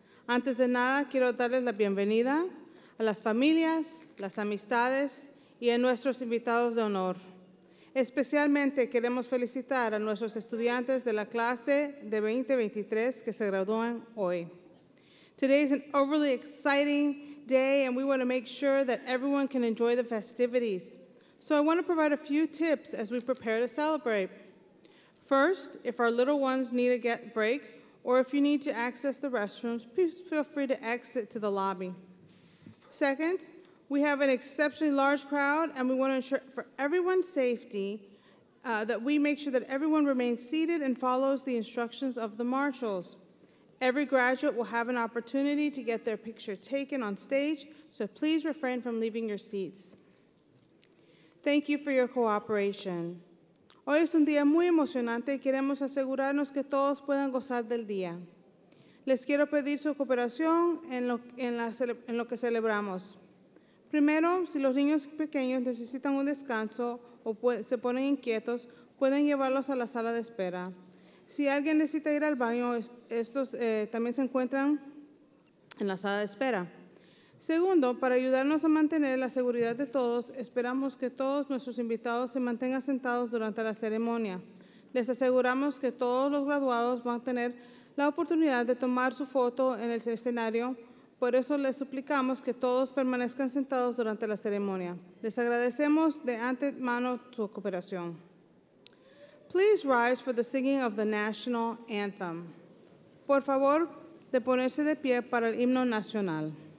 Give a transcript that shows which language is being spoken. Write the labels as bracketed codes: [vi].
[es] Antes de nada, quiero darles la bienvenida a las familias, las amistades y a nuestros invitados de honor. Especialmente queremos felicitar a nuestros estudiantes de la clase de 2023 que se gradúan hoy. [en] Today is an overly exciting day and we want to make sure that everyone can enjoy the festivities. So I want to provide a few tips as we prepare to celebrate. First, if our little ones need a break or if you need to access the restrooms, please feel free to exit to the lobby. Second, we have an exceptionally large crowd and we want to ensure for everyone's safety that we make sure that everyone remains seated and follows the instructions of the marshals. Every graduate will have an opportunity to get their picture taken on stage, so please refrain from leaving your seats. Thank you for your cooperation. [es] Hoy es un día muy emocionante y queremos asegurarnos que todos puedan gozar del día. Les quiero pedir su cooperación en lo que celebramos. Primero, si los niños pequeños necesitan un descanso o se ponen inquietos, pueden llevarlos a la sala de espera. Si alguien necesita ir al baño, estos también se encuentran en la sala de espera. Segundo, para ayudarnos a mantener la seguridad de todos, esperamos que todos nuestros invitados se mantengan sentados durante la ceremonia. Les aseguramos que todos los graduados van a tener la oportunidad de tomar su foto en el escenario. Por eso les suplicamos que todos permanezcan sentados durante la ceremonia. Les agradecemos de antemano su cooperación. [en] Please rise for the singing of the national anthem. [es] Por favor, de ponerse de pie para el himno nacional.